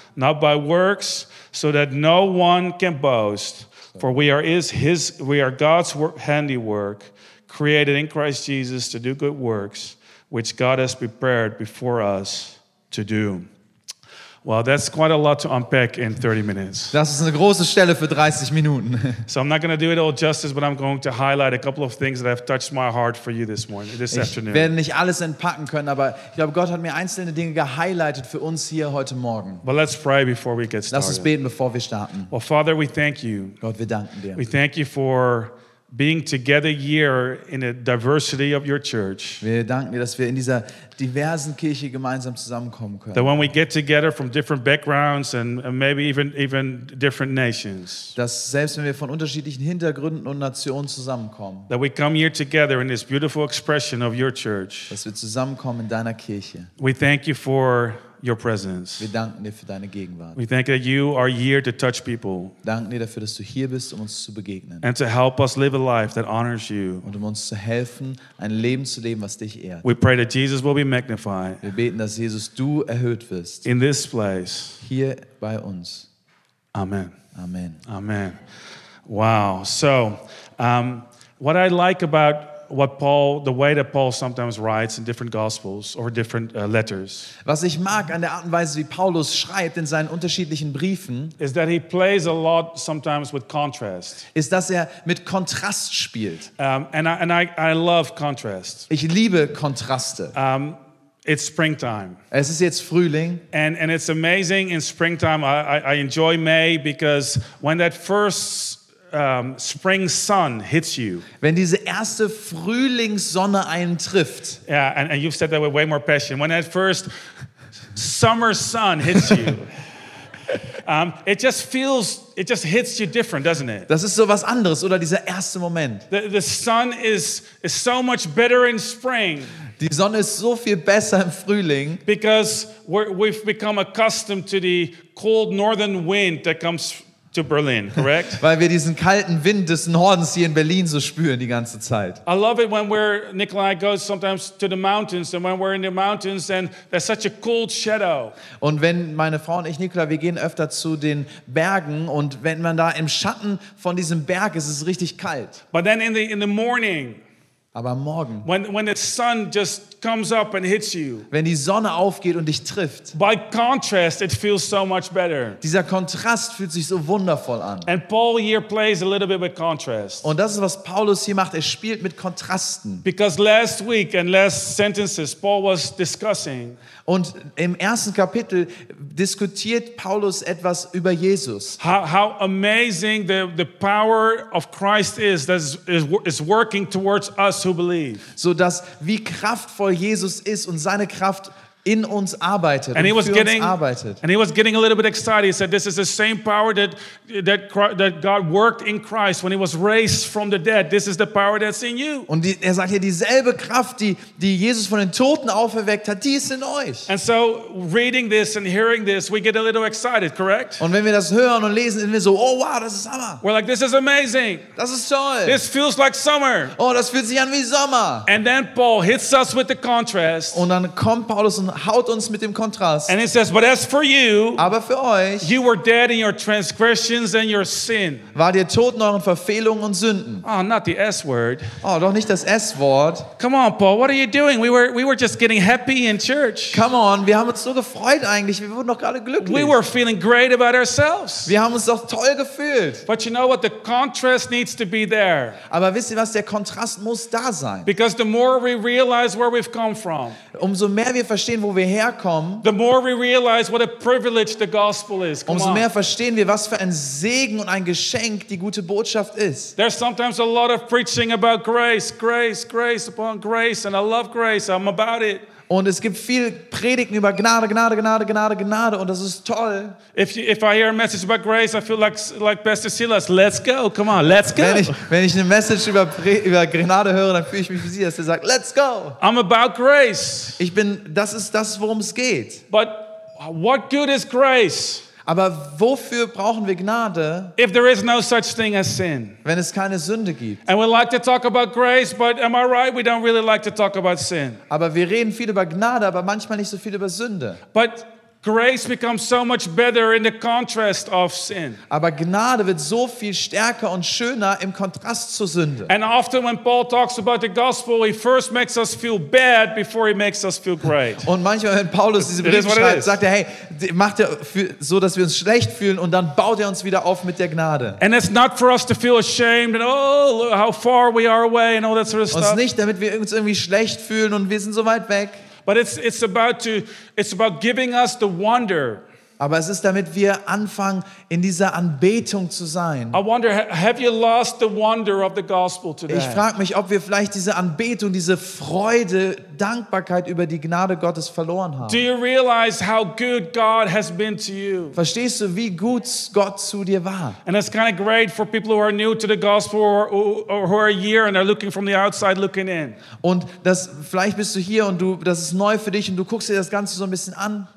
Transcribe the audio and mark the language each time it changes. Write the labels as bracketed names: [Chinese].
[English] Not by works, so that no one can boast, for we are God's handiwork, created in Christ Jesus to do good works, which God has prepared before us to do. Well, that's quite a lot to unpack in 30 minutes. [German] Das ist eine große Stelle für 30 Minuten. [English] So I'm not going to do it all justice, but I'm going to highlight a couple of things that have touched my heart for you this afternoon. [German] Ich werde nicht alles entpacken können, aber ich glaube, Gott hat mir einzelne Dinge gehighlighted für uns hier heute Morgen. [English] But let's pray before we get started. [German] Lass uns beten, bevor wir starten. [English] Well, Father, we thank you. [German] Gott, wir danken dir. [English] We thank you for being together here in the diversity of your church. [German] Wir danken dir, dass wir in dieser diversen Kirche gemeinsam zusammenkommen können. [English] That when we get together from different backgrounds and maybe even different nations. [German] Dass selbst wenn wir von unterschiedlichen Hintergründen und Nationen zusammenkommen. [English] That we come here together in this beautiful expression of your church. [German] Dass wir zusammenkommen in deiner Kirche. [English] We thank you for your presence. [German] Wir danken dir für deine Gegenwart. [English] We thank that you are here to touch people. [German] Danken dir dafür, dass du hier bist, um uns zu begegnen. [English] And to help us live a life that honors you. [German] Und um uns zu helfen, ein Leben zu leben, was dich ehrt. [English] We pray that Jesus will be magnified. [German] Wir beten, dass Jesus du erhöht wirst. [English] In this place. [German] Hier bei uns. [English] Amen. Amen. Amen. Wow. So, what I like about the way that Paul sometimes writes in different gospels or different letters. [German] Was ich mag an der Art und Weise, wie Paulus schreibt in seinen unterschiedlichen Briefen, [English] is that he plays a lot sometimes with contrast. [German] Ist, dass er mit Kontrast spielt. [English] And I love contrast. [German] Ich liebe Kontraste. [English] It's springtime. [German] Es ist jetzt Frühling. [English] And it's amazing in springtime. I enjoy May because when that first spring sun hits you. [German] Wenn diese erste Frühlingssonne einen trifft. [English] Yeah, and you've said that with way more passion. When that first summer sun hits you. It just hits you different, doesn't it? [German] Das ist so was anderes, oder dieser erste Moment. [English] The sun is so much better in spring. [German] Die Sonne ist so viel besser im Frühling. [English] Because we've become accustomed to the cold northern wind that comes to Berlin, correct? [German] Weil wir diesen kalten Wind des Nordens hier in Berlin so spüren die ganze Zeit. [English] I love it when we're Nikolai goes sometimes to the mountains, and when we're in the mountains, and there's such a cold shadow. [German] Und wenn meine Frau und ich Nikolai, wir gehen öfter zu den Bergen, und wenn man da im Schatten von diesem Berg ist, ist es richtig kalt. [English] But then in the morning. [German] Aber morgen, [English] when the sun just comes up and hits you, [German] wenn die Sonne aufgeht und dich trifft, [English] by contrast, it feels so much better. [German] Dieser Kontrast fühlt sich so wundervoll an. [English] And Paul here plays a little bit with contrast. [German] Und das ist, was Paulus hier macht. Er spielt mit Kontrasten. [English] Because last week and last sentences, Paul was discussing. [German] Und im ersten Kapitel diskutiert Paulus etwas über Jesus. [English] How amazing the power of Christ is that is working towards us who believe. [German] So dass wie kraftvoll Jesus ist und seine Kraft in uns arbeitet. [English] And he was getting a little bit excited. He said, "This is the same power that God worked in Christ when he was raised from the dead. This is the power that's in you." [German] Und er sagt hier, dieselbe Kraft, die Jesus von den Toten auferweckt hat, die ist in euch. [English] And so, reading this and hearing this, we get a little excited, correct? [German] Und wenn wir das hören und lesen, sind wir so, oh wow, das ist Hammer. [English] We're like, this is amazing. [German] Das ist toll. [English] This feels like summer. [German] Oh, das fühlt sich an wie Sommer. [English] And then Paul hits us with the contrast. [German] Und dann kommt Paulus und haut uns mit dem Kontrast. [English] And it says, but as for you, [German] aber für euch, [English] you were dead in your transgressions and your sin. [German] Wart ihr tot in euren Verfehlungen und Sünden? [English] Oh, not the S word. [German] Oh, doch nicht das S Wort. [English] Come on, Paul, what are you doing? We were just getting happy in church. Come on, [German] wir haben uns so gefreut eigentlich. Wir wurden doch gerade glücklich. [English] We were feeling great about ourselves. [German] Wir haben uns doch toll gefühlt. [English] But you know what? The contrast needs to be there. [German] Aber wisst ihr was? Der Kontrast muss da sein. [English] Because the more we realize where we've come from, [German] umso mehr wir verstehen, wo wir herkommen, [English] the more we realize what a privilege the gospel is. [German] Umso mehr verstehen wir, was für ein Segen und ein Geschenk die gute Botschaft ist. [English] There's sometimes a lot of preaching about grace, grace, grace upon grace, and I love grace. I'm about it. [German] Und es gibt viel Predigen über Gnade, Gnade, Gnade, Gnade, Gnade, und das ist toll. [English] If I hear a message about grace, I feel like Pastor Silas. Let's go, come on, let's go. [German] Wenn ich eine Message über Gnade höre, dann fühle ich mich wie Silas, der sagt, [English] let's go. I'm about grace. [German] Ich bin, das ist das, worum es geht. [English] But what good is grace? [German] Aber wofür brauchen wir Gnade? [English] If there is no such thing as sin. [German] Wenn es keine Sünde gibt. [English] And we like to talk about grace, but am I right? We don't really like to talk about sin. [German] Aber wir reden viel über Gnade, aber manchmal nicht so viel über Sünde. [English] But grace becomes so much better in the contrast of sin. [German] Aber Gnade wird so viel stärker und schöner im Kontrast zur Sünde. [English] And often when Paul talks about the gospel, he first makes us feel bad before he makes us feel great. [German] Und manchmal, wenn Paulus diese Briefe schreibt, sagt er, hey, macht er so, dass wir uns schlecht fühlen, und dann baut er uns wieder auf mit der Gnade. [English] And it's not for us to feel ashamed and oh, how far we are away and all that sort of stuff. [German] Und es ist nicht, damit wir uns irgendwie schlecht fühlen und wir sind so weit weg. [English] But it's about giving us the wonder. [German] Aber es ist, damit wir anfangen, in dieser Anbetung zu sein. [English] I wonder, have you lost the wonder of the gospel today? [German] Ich frage mich, ob wir vielleicht diese Anbetung, diese Freude, Dankbarkeit über die Gnade Gottes verloren haben. [English] Do you realize how good God has been to you? [German] Verstehst du, wie gut Gott zu dir war? [English] And it's kind of great for people who are new to the gospel or who are here and are looking from the outside looking in. [German] Und das, vielleicht bist du hier und du, das ist neu für dich und du guckst dir das Ganze so ein bisschen an.